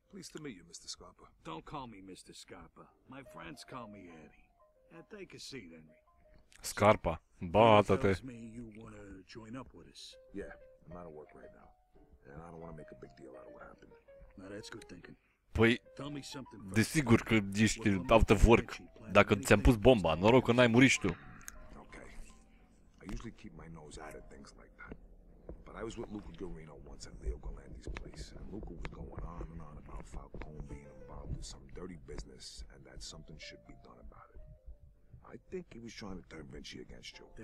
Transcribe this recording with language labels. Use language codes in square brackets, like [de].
[en] Pleased to meet you, Mr. Scarpa. Don't call me Mr. Scarpa. My friends call me Eddie. Now take a seat, Henry. [ro] Scarpa. Bătate. [en] Tells me you want to join up with us. Yeah, I'm out of work right now. And I don't want to make a big deal out of what happened. Now that's good thinking. [ro] Păi, desigur că ești [en] out of work. [ro] Dacă ți-am pus bomba, noroc că n-ai murit și tu. [en] Okay. I usually keep my nose out of things like that. But I was with Luca Garino once at Leo Galanti's place. And Luca was going on and on about Falcone being involved in some dirty business and that something should be done about it. I think he was trying to turn Vinci against you.